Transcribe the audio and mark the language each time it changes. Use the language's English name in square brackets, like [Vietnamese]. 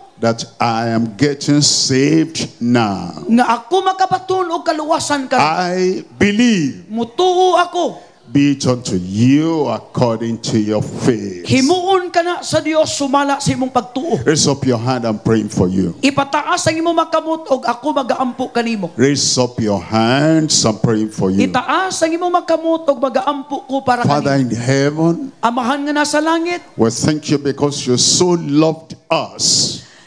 [English] That I am getting saved now. [Cebuano] Nga ako makabatun o kaluwasan ka. [English] I believe. [Cebuano] Mutuo ako. [English] Be it unto you according to your faith. [Cebuano] Himuon ka na sa Dios sumala sa imong pagtuo. [English] Raise up your hand, I'm praying for you. [Cebuano] Ipataas ang imong makamot og ako magaampo kanimo. [English] Raise up your hands, I'm praying for you. [Cebuano] Itaas ang imong makamot og magaampo ko para kanimo. [English] Father in heaven, [Cebuano] amahan nga nasa langit, [English] we thank you because you so loved us.